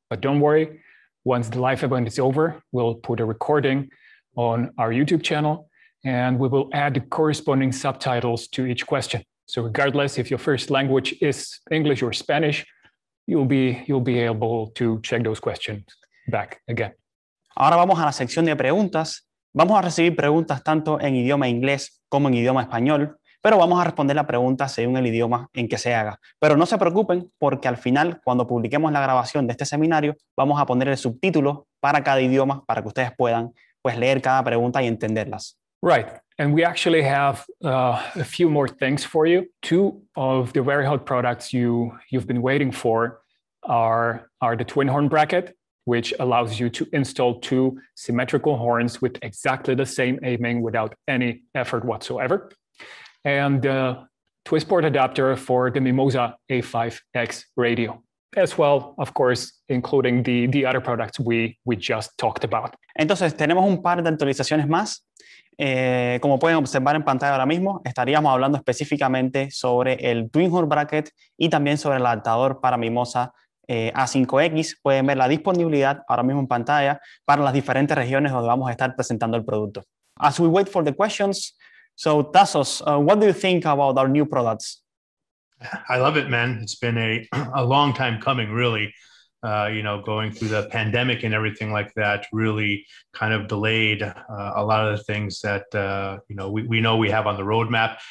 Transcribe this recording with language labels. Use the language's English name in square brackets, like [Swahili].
[English] But don't worry, once the live event is over, we'll put a recording on our YouTube channel and we will add the corresponding subtitles to each question. So regardless if your first language is English or Spanish, you'll be able to check those questions back again. [Spanish] Ahora vamos a la sección de preguntas. Vamos a recibir preguntas tanto en idioma inglés como en idioma español, pero vamos a responder la pregunta según el idioma en que se haga. Pero no se preocupen porque al final, cuando publiquemos la grabación de este seminario, vamos a poner el subtítulo para cada idioma para que ustedes puedan pues, leer cada pregunta y entenderlas. [English] Right, and we actually have a few more things for you. Two of the very hot products you've been waiting for are the twin horn bracket, which allows you to install two symmetrical horns with exactly the same aiming without any effort whatsoever. And the twist port adapter for the Mimosa A5X radio. as well, of course, including the other products we just talked about. [Spanish] Entonces, tenemos un par de actualizaciones más. Como pueden observar en pantalla ahora mismo, estaríamos hablando específicamente sobre el Twin Horn Bracket y también sobre el adaptador para Mimosa A5X. Pueden ver la disponibilidad ahora mismo en pantalla para las diferentes regiones donde vamos a estar presentando el producto. [English] As we wait for the questions, so Tassos, what do you think about our new products? I love it, man. It's been a long time coming, really. You know, going through the pandemic and everything like that really kind of delayed a lot of the things that, you know, we know we have on the roadmap.